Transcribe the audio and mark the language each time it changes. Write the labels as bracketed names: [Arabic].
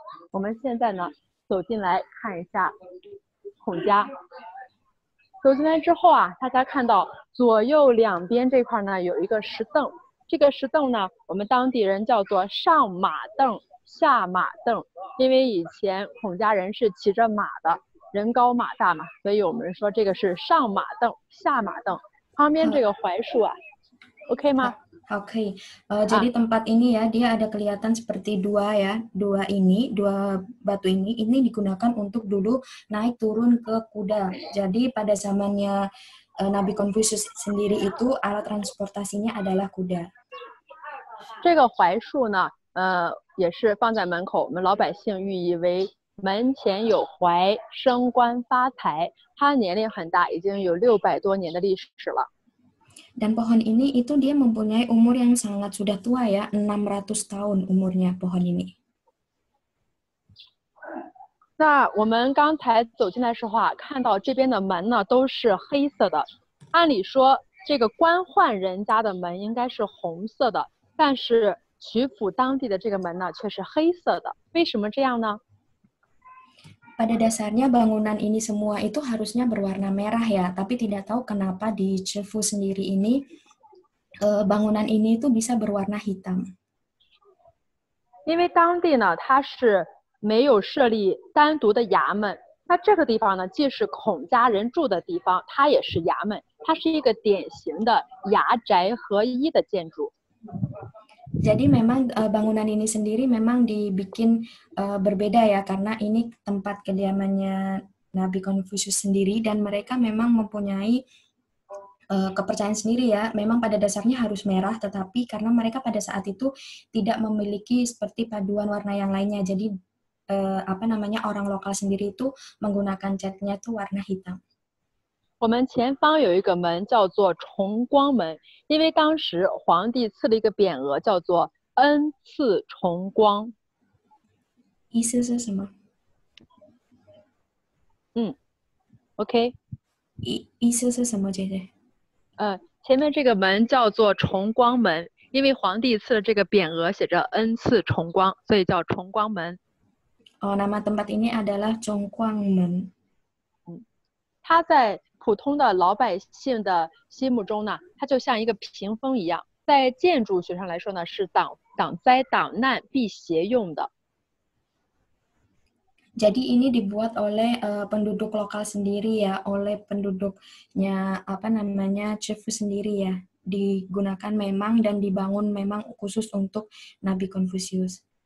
[Chinese] 我们现在呢走进来看一下孔家，走进来之后啊，大家看到左右两边这块呢有一个石凳，这个石凳呢我们当地人叫做上马凳下马凳，因为以前孔家人是骑着马的，人高马大嘛，所以我们说这个是上马凳下马凳。旁边这个槐树啊 OK 吗？好，可以。 [Indonesian] jadi tempat ini ya dia ada kelihatan seperti dua ya, dua ini, dua batu ini digunakan untuk dulu naik turun ke kuda. Jadi pada zamannya Nabi Confucius sendiri itu alat transportasinya adalah kuda. [Chinese] 这个槐树呢，也是放在门口，我们老百姓寓意为门前有槐，升官发财。它年龄很大，已经有600多年的历史了。 [Indonesian] Dan pohon ini itu dia mempunyai umur yang sangat sudah tua ya, 600 tahun umurnya pohon ini. [Chinese] 那我们刚才走进来的时候啊，看到这边的门呢都是黑色的，按理说这个官宦人家的门应该是红色的，但是曲阜当地的这个门呢却是黑色的，为什么这样呢？ [Indonesian] Pada dasarnya bangunan ini semua itu harusnya berwarna merah ya, tapi tidak tahu kenapa di Cefu sendiri ini bangunan ini itu bisa berwarna hitam. [Chinese] 因为当地呢它是没有设立单独的衙门，那这个地方呢既是孔家人住的地方，它也是衙门，它是一个典型的衙宅合一的建筑。 [Indonesian] Jadi memang bangunan ini sendiri memang dibikin berbeda ya, karena ini tempat kediamannya Nabi Konfusius sendiri, dan mereka memang mempunyai kepercayaan sendiri ya, memang pada dasarnya harus merah, tetapi karena mereka pada saat itu tidak memiliki seperti paduan warna yang lainnya, jadi apa namanya, orang lokal sendiri itu menggunakan catnya itu warna hitam. [Chinese] 我们前方有一个门叫做崇光门, 因为当时皇帝赐了一个匾额叫做恩赐崇光。意思是什么？嗯，OK。意思是什么，姐姐？前面这个门叫做崇光门， 因为皇帝赐了这个匾额写着恩赐崇光， 所以叫崇光门。 [Indonesian] Oh, nama tempat ini adalah Chongguangmen. [Chinese] 它在普通的老百姓的心目中呢， 它就像一个屏风一样， 在建筑学上来说呢， 是挡灾挡难辟邪用的。 [Indonesian] Jadi ini dibuat oleh penduduk lokal sendiri ya, oleh penduduknya apa namanya, chief sendiri ya, digunakan memang dan dibangun memang khusus untuk Nabi Konfusius.